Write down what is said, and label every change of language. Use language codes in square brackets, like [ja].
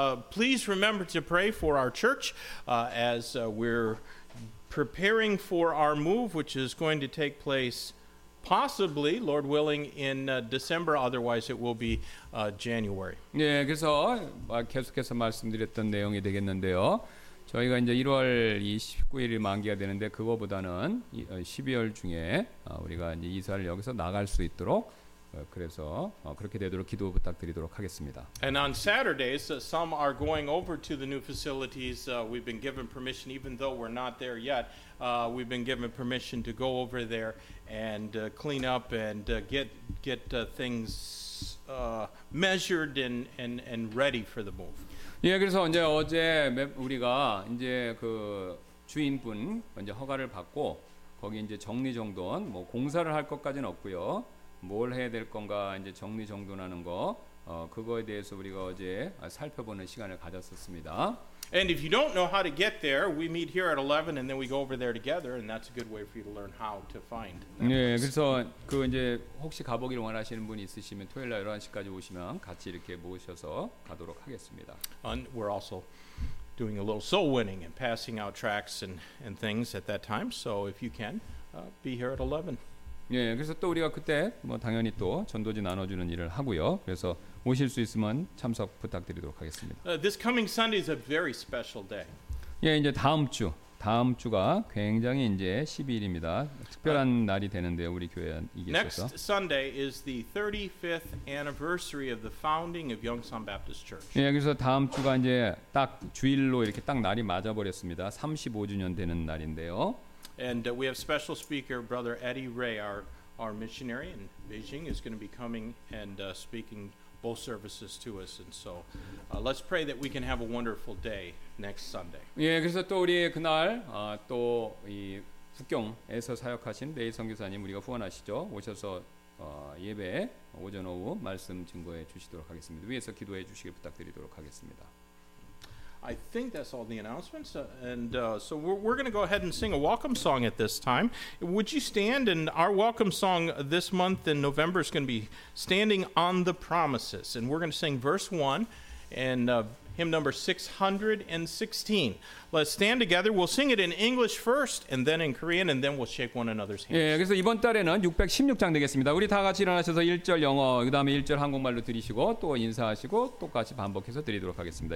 [en] Please remember to pray for our church as we're preparing for our move, which is going to take place possibly, Lord willing, in December. Otherwise, it will be January. [ko] 네, 그래서 계속해서 말씀드렸던 내용이 되겠는데요. 저희가 이제 1월 29일을 만기가 되는데 그거보다는 12월 중에 우리가 이제 이사를 여기서 나갈 수 있도록 그래서 그렇게 되도록 기도 부탁드리도록 하겠습니다. [en] And on Saturdays, some are going over to the new facilities. We've been given permission, even though we're not there yet. We've been given permission to go over there and clean up and get things measured and ready for the move. [ko] 예, 그래서 이제 어제 우리가 이제 그 주인분 이제 허가를 받고 거기 이제 정리 정돈 뭐 공사를 할 것까지는 없고요. 뭘 해야 될 건가 이제 정리 정돈하는 거 그거에 대해서 우리가 어제 살펴보는 시간을 가졌었습니다. [en] And if you don't know how to get there, we meet here at 11 and then we go over there together and that's a good way for you to learn how to find. [ko] 네, 그래서 그 이제 혹시 가보기를 원하시는 분이 있으시면 토요일 날 11시까지 오시면 같이 이렇게 모셔서 가도록 하겠습니다. [en] And we're also doing a little soul winning and passing out tracts and things at that time. So if you can be here at 11. [ko] 예, 그래서 또 우리가 그때 뭐 당연히 또 전도지 나눠주는 일을 하고요. 그래서 오실 수 있으면 참석 부탁드리도록 하겠습니다. [en] This coming Sunday is a very special day. [ko] 예, 이제 다음 주가 굉장히 이제 12일입니다. 특별한 날이 되는데요, 우리 교회 이게 있어서. [en] Next Sunday is the 35th anniversary of the founding of Yongsan Baptist Church. [ko] 예, 그래서 다음 주가 이제 딱 주일로 이렇게 딱 날이 맞아 버렸습니다. 35주년 되는 날인데요. [en] And we have special speaker Brother Eddie Ray, our missionary in Beijing, is going to be coming and speaking both services to us. And so, let's pray that we can have a wonderful day next Sunday. [ko] 예, 그래서 또 우리 그날 또 이 북경에서 사역하신 레이 선교사님 우리가 후원하시죠. 오셔서 예배 오전 오후 말씀 증거해 주시도록 하겠습니다. 위에서 기도해 주시길 부탁드리도록 하겠습니다. [en] I think that's all the announcements, and so we're going to go ahead and sing a welcome song at this time. Would you stand? And our welcome song this month in November is going to be Standing on the Promises, and we're going to sing verse 1, and hymn number 616. Let's stand together. We'll sing it in English first, and then in Korean, and then we'll shake one another's hands. [ko] 예, 그래서 이번 달에는 616장 되겠습니다. 우리 다 같이 일어나셔서 1절 영어, 그 다음에 1절 한국말로 드리시고, 또 인사하시고, 똑같이 반복해서 드리도록 하겠습니다.